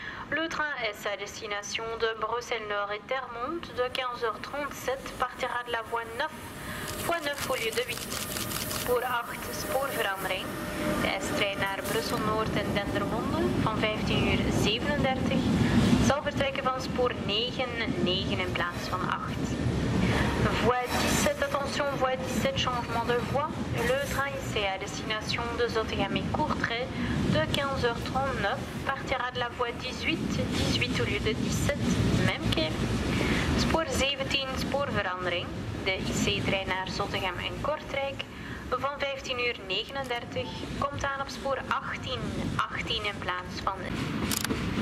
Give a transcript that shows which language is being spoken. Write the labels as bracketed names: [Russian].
[French] Le train S à destination de Bruxelles-Nord et Termonde de 15h37 partira de la voie 9.9 au lieu de 8. [Dutch] Spoor 8, spoorverandering. De S-trein naar Brussel-Noord en Dendermonde van 15:37 zal vertrekken van spoor 9.9 in plaats van 8. [French] Voie 17, attention, voie 17, changement de voie. Le train IC à destination de Zottegem et Courtrai de 15h39 partira de la voie 18 au lieu de 17, même quai. [Dutch] Spoor 17, spoorverandering. De IC-trein naar Zottegem en Kortrijk van 15:39 komt aan op spoor 18 in plaats van 9.